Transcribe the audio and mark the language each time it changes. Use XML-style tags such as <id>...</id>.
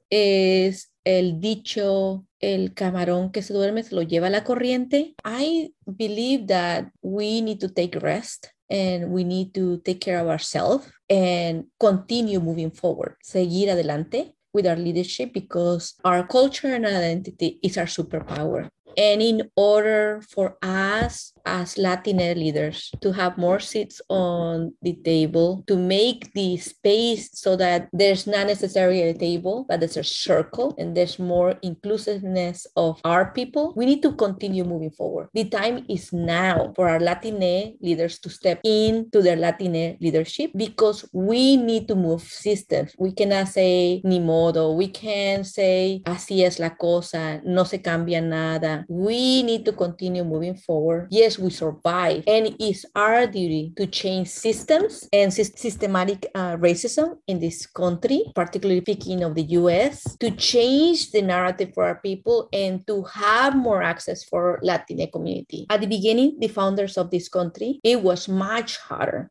<en>Is</en> <es>el dicho, el camarón que se duerme se lo lleva la corriente.</es> <en>I believe that we need to take rest and we need to take care of ourselves and continue moving forward.</en> <es>Seguir adelante</es> <en>with our leadership, because our culture and identity is our superpower. And in order for us as Latina leaders to have more seats on the table, to make the space so that there's not necessarily a table, but there's a circle and there's more inclusiveness of our people, we need to continue moving forward. The time is now for our Latina leaders to step into their Latina leadership, because we need to move systems. We cannot say</en> <es>ni modo.</es> <en>We can't say</en> <es>así es la cosa, no se cambia nada.</es> <en>We need to continue moving forward. Yes, we survive. And it's our duty to change systems and systematic racism in this country, particularly speaking of the U.S., to change the narrative for our people and to have more access for Latina community. At the beginning, the founders of this country, it was much harder.</en>